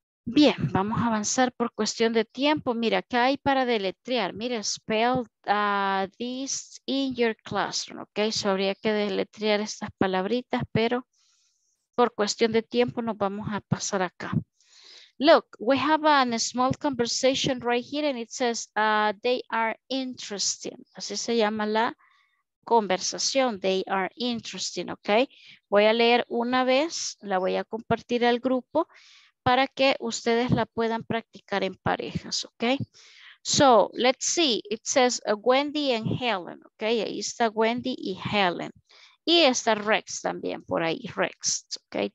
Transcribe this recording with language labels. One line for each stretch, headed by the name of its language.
Spanish: Bien, vamos a avanzar por cuestión de tiempo. Mira, acá hay para deletrear. Mira,
English: spell this in your classroom, ¿ok?
Spanish: So habría que deletrear estas palabritas, pero por cuestión de tiempo nos vamos a pasar acá.
English: Look, we have a small conversation right here and it says they are interesting.
Spanish: Así se llama la conversación.
English: They are interesting,
Spanish: ¿ok? Voy a leer una vez, la voy a compartir al grupo para que ustedes la puedan practicar en parejas, ¿ok?
English: So, let's see. It says Wendy and Helen, ¿ok?
Spanish: Ahí está Wendy y Helen. Y está Rex también por ahí, Rex, ¿ok?